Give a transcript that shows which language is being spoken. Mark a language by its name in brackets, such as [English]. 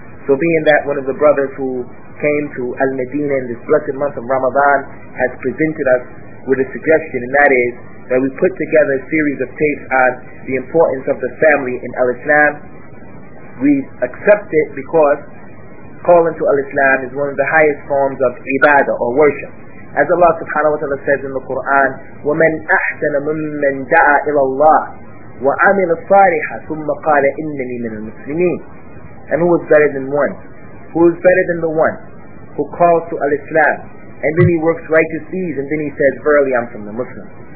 [English] So being that one of the brothers who came to Al-Madinah in this blessed month of Ramadan has presented us with a suggestion, and that is that we put together a series of tapes on the importance of the family in Al-Islam. We accept it because calling to Al-Islam is one of the highest forms of ibadah or worship. As Allah subhanahu wa ta'ala says in the Quran, [Arabic] وَمَنْ أَحْسَنَ مِمَّنْ دَعَى إِلَى اللَّهِ وَعَمِلَ الصَّالِحَ ثُمَّ قَالَ إِنَّنِي مِنَ الْمُسْلِمِينَ. [English] And who is better than one? Who is better than the one who calls to Al-Islam and then he works righteous deeds and then he says, verily I'm from the Muslims.